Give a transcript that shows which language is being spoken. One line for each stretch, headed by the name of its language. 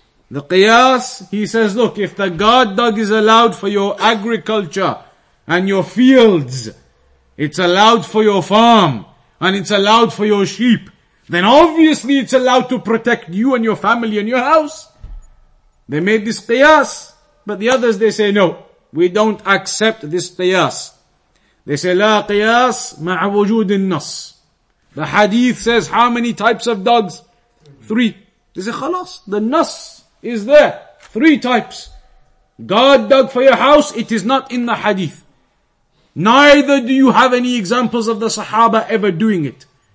English: The qiyas, he says, look, if the guard dog is allowed for your agriculture and your fields, it's allowed for your farm, and it's allowed for your sheep, then obviously it's allowed to protect you and your family and your house. They made this qiyas, but the others, they say, no, we don't accept this qiyas. They say,
Arabic: لا قياس مع وجود النص.
English: The hadith says, how many types of dogs? Three. They say, خلاص, the nas is there. Three types. Guard dog for your house, it is not in the hadith. Neither do you have any examples of the Sahaba ever doing it.